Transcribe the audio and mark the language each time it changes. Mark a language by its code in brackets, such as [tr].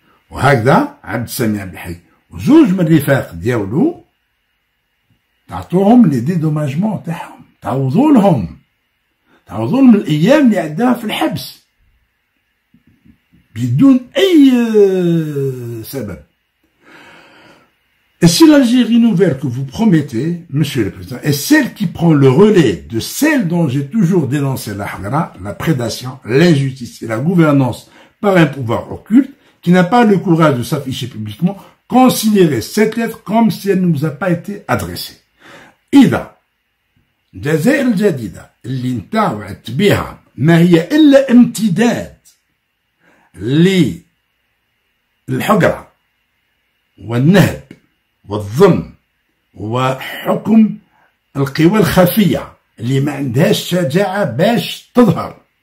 [ar] وهكذا عبد السميع عبد الحي وزوج من الرفاق ديالو تعطوهم لي ديدوماجمون تاعهم، تعوضولهم تعوضولهم الايام اللي عداها في الحبس بدون اي سبب. [fr] Et si l'Algérie nouvelle que vous promettez, monsieur le président, est celle qui prend le relais de celle dont j'ai toujours dénoncé la hagra, la prédation, l'injustice et la gouvernance par un pouvoir occulte qui n'a pas le courage de s'afficher publiquement, considérez cette lettre comme si elle ne vous a pas été adressée. Ida, [ar] الجزائر الجديدة اللي انت وعدت بها ما هي إلا امتداد للحقرة والنهب والظلم وحكم القوى الخفية اللي ما عندهاش شجاعة باش تظهر.